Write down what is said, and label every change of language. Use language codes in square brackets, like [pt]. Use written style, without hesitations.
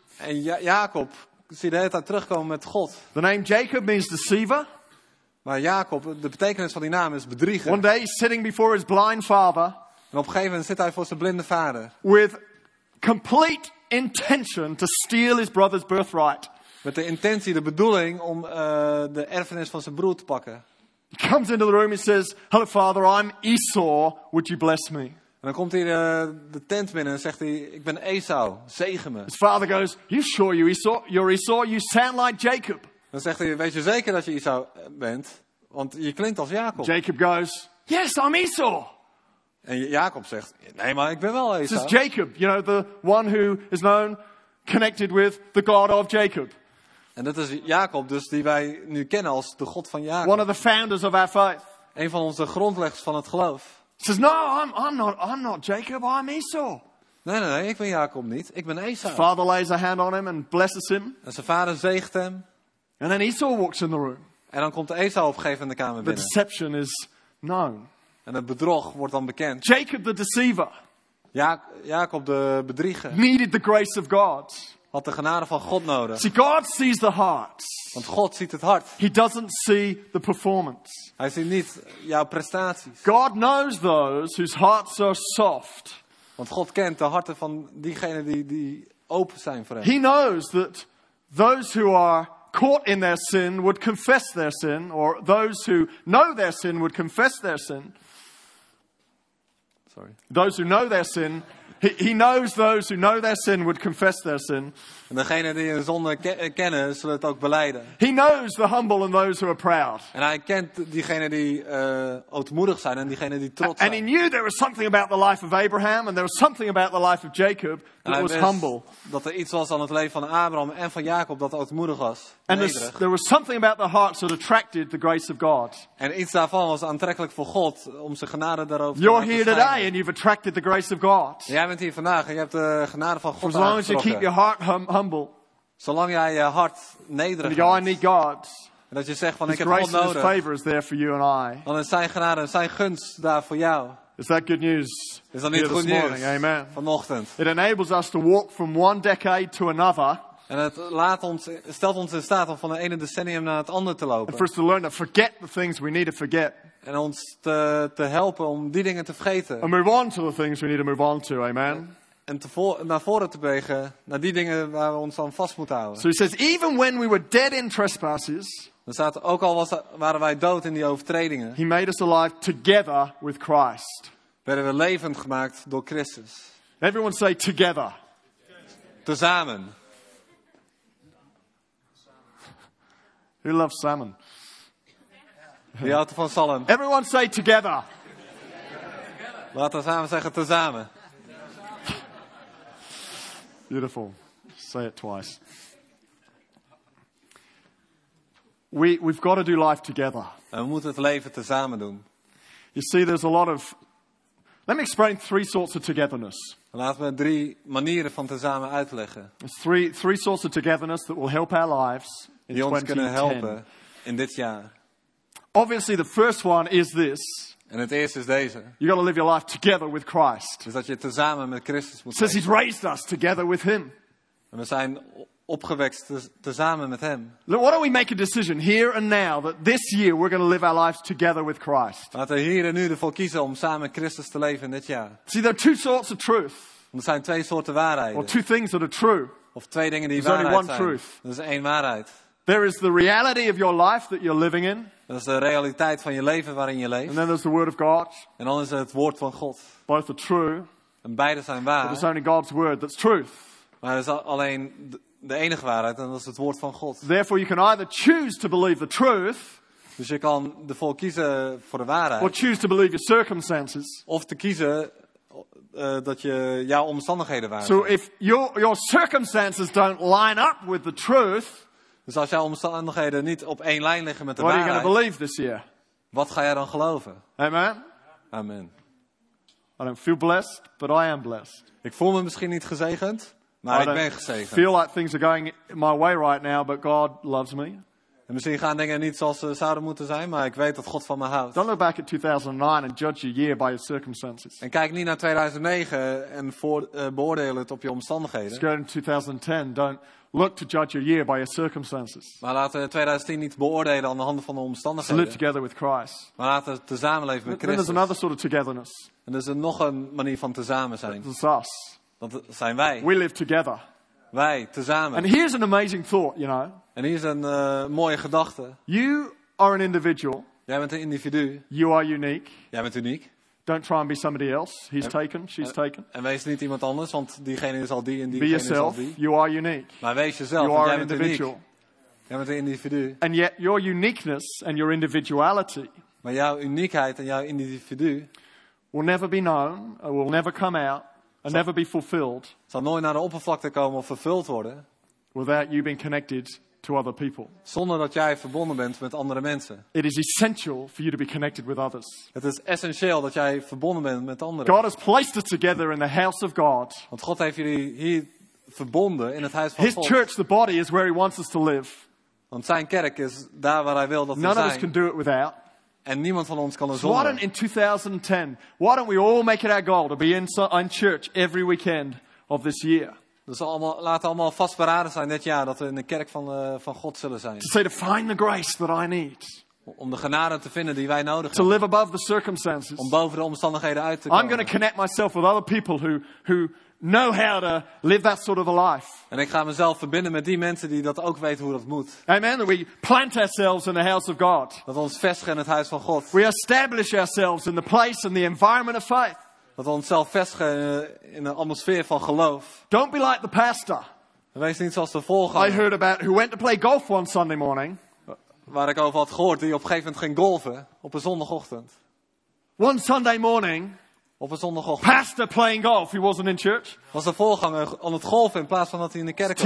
[nl] En Jacob zie de hele tijd terugkomen met God. [en] The name Jacob means deceiver. [nl] Maar Jacob, de betekenis van die naam is bedrieger. [en] One day sitting before his blind father. [nl] En op een gegeven moment zit hij voor zijn blinde vader. [en] With complete intention to steal his brother's birthright. [nl] Met de intentie, de bedoeling om de erfenis van zijn broer te pakken. [en] He comes into the room and says, "Hello, Father. I'm Esau. Would you bless me?" [nl] En dan komt hij de tent binnen en zegt hij, "Ik ben Esau. Zegen me." [en] His father goes, "You sure you Esau? You're Esau. You sound like Jacob." [nl] Dan zegt hij, "Weet je zeker dat je Esau bent? Want je klinkt als Jacob." [en] Jacob goes, "Yes, I'm Esau." [nl] En Jacob zegt, "Nee, maar ik ben wel Esau." [en] This is Jacob, you know, the one who is known, connected with the God of Jacob. [nl] En dat is Jacob, dus die wij nu kennen als de God van Jacob. [en] One of the founders of our faith. [nl] Een van onze grondleggers van het geloof. [en] He says, "No, I'm not Jacob. I'm Esau." [nl] Nee, ik ben Jacob niet. Ik ben Esau. [en] His father lays a hand on him and blesses him. [nl] En zijn vader zegt hem. [en] And then Esau walks in the room. [nl] En dan komt Esau op een gegeven moment in de kamer binnen. [en] The deception is known. [nl] En het bedrog wordt dan bekend. [en] Jacob the deceiver. [nl] Jacob de bedrieger. [en] Needed the grace of God. [nl] Had de genade van God nodig. [en] See, God sees the heart. [nl] Want God ziet het hart. [en] He doesn't see the performance. [nl] Hij ziet niet jouw prestaties. [en] God knows those whose hearts are soft. [nl] Want God kent de harten van diegenen die open zijn voor hem. [en] He knows that those who are caught in their sin would confess their sin, or those who know their sin would confess their sin. Sorry. Those who know their sin. He knows those who know their sin would confess their sin. [nl] En degene die hun zonde kennen, zullen het ook belijden. [en] He knows the humble and those who are proud. [nl] En hij kent diegene die ootmoedig zijn en diegene die trots zijn. [en] And he knew there was something about the life of Abraham and there was something about the life of Jacob that was humble. [nl] Dat er iets was aan het leven van Abraham en van Jacob dat ootmoedig was. [en] And there was something about the hearts that attracted the grace of God. [nl] En iets daarvan was aantrekkelijk voor God om zijn genade daarover te [en] You're here today and you've attracted the grace of God. [nl] Jij bent hier vandaag en je hebt de genade van God aangetrokken. [en] As long as you keep your heart humble. [nl] Zolang jij je hart nederig houdt. [en] You need God. [nl] En dat je zegt van [en] his [nl] ik heb God nodig. [en] His favor is there for you and I. [nl] Dan is zijn genade en zijn gunst daar voor jou. [en] Is that good news? [nl] Is dat niet goed nieuws? [en] Amen. [nl] Vanochtend. [en] It enables us to walk from one decade to another. [nl] En het laat ons, stelt ons in staat om van het ene decennium naar het andere te lopen. [en] And for us to learn to forget the things we need to forget. [nl] En ons te helpen om die dingen te vergeten. [en] And move on to the things we need to move on to, amen. [nl] En naar voren te bewegen, naar die dingen waar we ons aan vast moeten houden. [en] So he says, even when we were dead in trespasses. [nl] Dan staat ook al waren wij dood in die overtredingen. [en] He made us alive together with Christ. [nl] Werden we levend gemaakt door Christus. [en] Everyone say together. [nl] Tezamen. [en] Who loves salmon? [nl] Wie houdt er van salm? [en] Everyone say together. [nl] Laten we samen zeggen tezamen. [en] Beautiful. Say it twice. We've got to do life together. [nl] En we moeten het leven tezamen doen. [en] You see, there's a lot of. Let me explain three sorts of togetherness. [nl] Laat me drie manieren van tezamen uitleggen. [en] There's three sorts of togetherness that will help our lives in 2010. [nl] Die ons kunnen helpen in dit jaar. [en] Obviously, the first one is this. [nl] En het eerste is deze. [en] You got to live your life together with Christ. [nl] Dus dat je tezamen met Christus moet. [en] Says he's raised us together with him. [nl] En we zijn opgewekt tezamen met hem. [en] Look, why don't we make a decision here and now that this year we're going to live our lives together with Christ. [nl] Laten we hier en nu ervoor kiezen om samen Christus te leven in dit jaar. [en] See, there are two sorts of truth. [nl] Er zijn twee soorten waarheden. [en] Or two things that are true. [nl] Of twee dingen die [en] There's [nl] waarheid [en] only one [nl] zijn. [en] Truth. [nl] Er is één waarheid. [en] There is the reality of your life that you're living in. [nl] Dat is de realiteit van je leven waarin je leeft. [en] And then there's the word of God. [nl] En dan is het woord van God. [en] Both are true. [nl] En beide zijn waar. [en] But it's only God's word that's truth. [nl] Maar het is alleen de enige waarheid en dat is het woord van God. [en] Therefore you can either choose to believe the truth. [nl] Dus je kan ervoor kiezen voor de waarheid. [en] Or choose to believe your circumstances. [nl] Of te kiezen dat je jouw omstandigheden waar. [en] So if your circumstances don't line up with the truth. [nl] Dus als jouw omstandigheden niet op één lijn liggen met de [en] what [nl] waarheid. [en] Are you believe this year? [nl] Wat ga jij dan geloven? [en] Amen. [nl] Amen. [en] I don't feel blessed, but I am blessed. [nl] Ik voel me misschien niet gezegend, maar [en] I [nl] ik ben gezegend. [en] I feel like things are going my way right now, but God loves me. [nl] En misschien gaan dingen niet zoals ze zouden moeten zijn, maar ik weet dat God van me houdt. [en] Don't look back at 2009 and judge your year by your circumstances. [nl] En kijk niet naar 2009 en beoordeel het op je omstandigheden. [en] Let's go in 2010. Don't look to judge your year by your circumstances. [nl] Maar laten we 2010 niet beoordelen aan de hand van de omstandigheden. [en] Live together with Christ. [nl] Maar laten we tezamen leven met Christus. [en] There's another sort of togetherness. [nl] En er is nog een manier van tezamen zijn. [en] That's us. [nl] Dat zijn wij. [en] We live together. [nl] Wij tezamen. [en] And here's an amazing thought, you know. [nl] En hier is een mooie gedachte. [en] You are an individual. [nl] Jij bent een individu. [en] You are unique. [nl] Jij bent uniek. [en] Don't try and be somebody else. He's taken. She's taken. [nl] En wees niet iemand anders, want diegene is al die en diegene [en] be yourself, [nl] is al die. [en] You are unique. [nl] Maar wees jezelf. [en] You are [nl] jij [en] an individual. [nl] Uniek. Jij bent een individu. [en] And yet your uniqueness and your individuality. [nl] Maar jouw uniekheid en jouw individu. [en] Will never be known. Or will never come out. And never be fulfilled. Zal nooit naar de oppervlakte komen of vervuld worden. Without you being connected. To other people. [nl] Zonder dat jij verbonden bent met andere mensen. [en] It is essential for you to be connected with others. [nl] Het is essentieel dat jij verbonden bent met anderen. [en] God has placed us together in the house of God. [nl] Want God heeft jullie hier verbonden in het huis van God. [en] His church, the body, is where he wants us to live. [nl] Want zijn kerk is daar waar hij wil dat [en] None [nl] we zijn. [en] Of us can do it without. [nl] En niemand van ons kan er zonder. [en] So why don't in 2010, why don't we all make it our goal to be in church every weekend of this year? [nl] Dus allemaal, laten allemaal vastberaden zijn dit jaar dat we in de kerk van God zullen zijn. [en] To say to find the grace that I need. [nl] Om de genade te vinden die wij nodig [en] to [nl] hebben. [en] Live above the circumstances. [nl] Om boven de omstandigheden uit te komen. [en] I'm going to connect myself with other people who know how to live that sort of a life. [nl] En ik ga mezelf verbinden met die mensen die dat ook weten hoe dat moet. [en] Amen. That we plant ourselves in the house of God. [nl] Dat ons vestigen in het huis van God. [en] We establish ourselves in the place and the environment of faith. [nl] Dat we onszelf vestigen in een atmosfeer van geloof. [en] Don't be like the pastor. [nl] Wees niet zoals de volganger. [en] I heard about who went to play golf one Sunday morning. [nl] Waar ik over had gehoord, die op een gegeven moment ging golven op een zondagochtend. [en] One Sunday morning. [nl] Op een zondagochtend. [en] Pastor playing golf. He wasn't in church. [nl] Was de volganger aan het golven in plaats van dat hij in de kerk was.